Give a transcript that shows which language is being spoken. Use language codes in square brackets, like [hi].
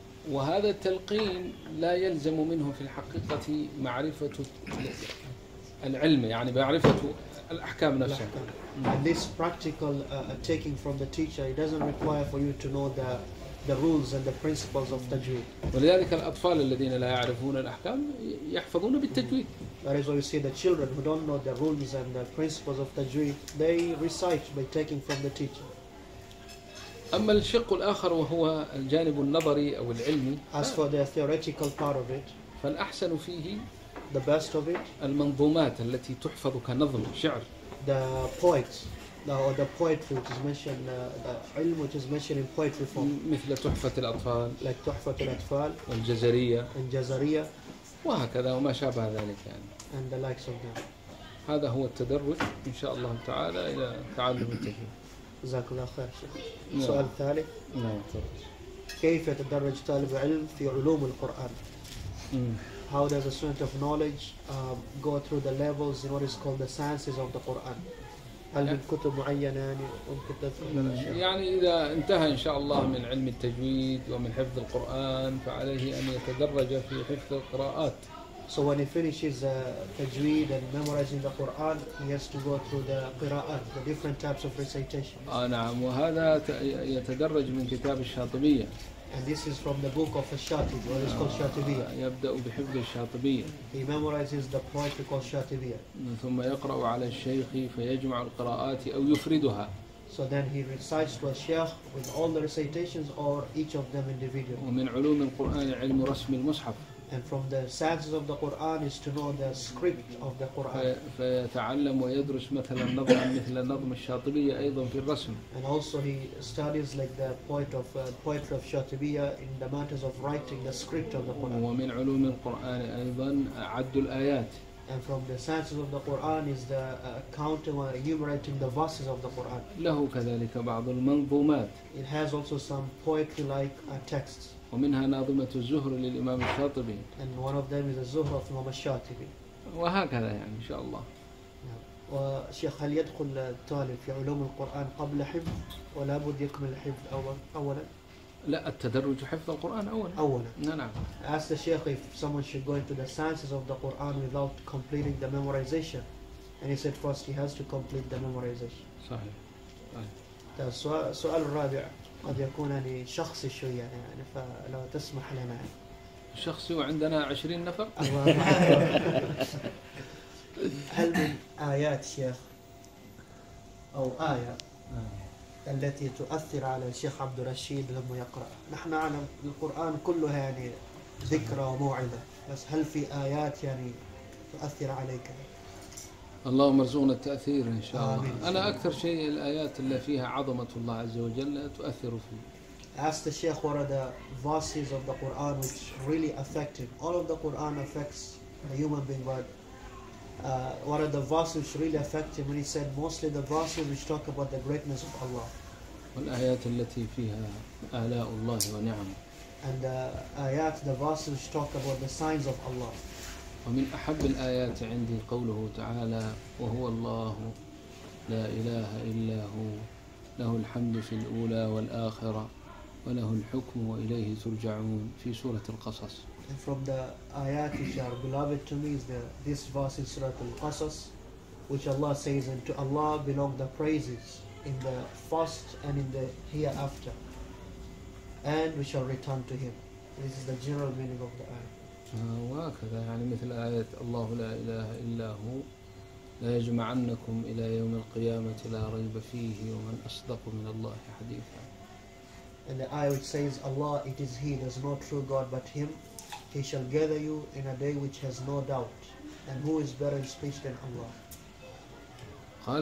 [ar] وهذا التلقين لا يلزم منه في الحقيقة معرفة العلم يعني معرفة الأحكام نفسها. [en] This practical taking from the teacher, it doesn't require for you to know the rules and the principles of tajweed. [ar] ولذلك الأطفال الذين لا يعرفون الأحكام يحفظون بالتجويد. [en] That is why you see the children who don't know the rules and the principles of tajweed, they recite by taking from the teacher. [ar] أما الشق الآخر وهو الجانب النظري أو العلمي. [en] As for the theoretical part of it, [ar] فالأحسن فيه [en] the best of it, [ar] المنظومات التي تحفظ كنظم شعر. [en] The poets, or the poetry which is mentioned, the علم which is mentioned in poetry form. [ar] مثل تحفة الأطفال. [en] Like تحفة الأطفال. [ar] الجزرية. الجزرية. وهكذا وما شابه ذلك يعني. [en] And the likes of them. [ar] هذا هو التدرج إن شاء الله تعالى إلى تعلم التجويد. جزاك الله خير شيخ. سؤال ثالث. نعم. كيف يتدرج طالب علم في علوم القرآن؟ [en] How does a student of knowledge go through the levels in what is called the sciences of the Quran? [ar] هل من كتب معينة ممكن تذكر؟ يعني إذا انتهى إن شاء الله من علم التجويد ومن حفظ القرآن فعليه أن يتدرج في حفظ القراءات. [en] So when he finishes tajweed and memorizing the Quran, he has to go through the qira'at, the different types of recitation. [ar] نعم وهذا يتدرج من كتاب الشاطبية. [en] And this is from the book of الشاطبية, what is called الشاطبية. [ar] يبدأ بحفظ الشاطبية. [en] He memorizes the poetry called الشاطبية. [ar] ثم يقرأ على الشيخ فيجمع القراءات أو يفردها. [en] So then he recites to a sheikh with all the recitations or each of them individually. [ar] ومن علوم القرآن علم رسم المصحف. [en] And from the sciences of the Quran is to know the script of the Quran. [ar] فيتعلم ويدرس مثلا نظم مثل نظم الشاطبية أيضا في الرسم. [en] And also he studies like the poet of poetry of Shatibiyya in the matters of writing the script of the Quran. [ar] ومن علوم القرآن أيضا عد الآيات. [en] And from the sciences of the Quran is the counting or enumerating the verses of the Quran. [ar] له كذلك بعض المنظومات. [en] It has also some poetry-like texts. [ar] ومنها ناظمة الزهر للإمام الشاطبي. [en] And one of them is the Zuhr of Imam al-Shatibi. [ar] وهكذا يعني إن شاء الله. وشيخ هل يدخل الطالب في علوم القرآن قبل حفظ ولا بد يكمل الحفظ أولا؟ لا التدرج حفظ القرآن أولا. أولا. نعم. [en] Ask the Sheikh if someone should go into the sciences of the Quran without completing the memorization. And he said first he has to complete the memorization. [ar] صحيح. السؤال الرابع. قد يكون يعني شخصي شوية يعني فلو تسمح لنا شخصي وعندنا 20 نفر هل من آيات شيخ أو آية التي تؤثر على الشيخ عبد الرشيد لما يقرأ نحن نعلم القرآن كله يعني ذكرى وموعظة بس هل في آيات يعني تؤثر عليك اللهم ارزقنا التأثير إن شاء الله أنا أكثر شيء الآيات اللي فيها عظمة الله عز وجل تؤثر فيه [en] Ask the Sheikh what are the verses of the Quran which really affected all of the Quran affects the human being but what are the verses which really affected when he said mostly the verses which talk about the greatness of Allah [ar] والآيات التي فيها آلاء الله ونعم [en] and the آيات the verses which talk about the signs of Allah [ar] ومن أحب الآيات عندي قوله تعالى وهو الله لا إله إلا هو له الحمد في الأولى والآخرة وله الحكم وإليه ترجعون في سورة القصص. [en] And from the ayat which are beloved to me is the this verse in Surah Al-Qasas which Allah says and to Allah belong the praises in the first and in the hereafter and we shall return to Him. This is the general meaning of the ayat. [ar] وهكذا يعني مثل آية الله لا إله إلا هو لا يجمعنكم إلى يوم القيامة لا ريب فيه ومن أصدق من الله حديثا [en] and the ayah which says Allah it is he there's no true God but him he shall gather you in a day which has no doubt and who is better in speech than Allah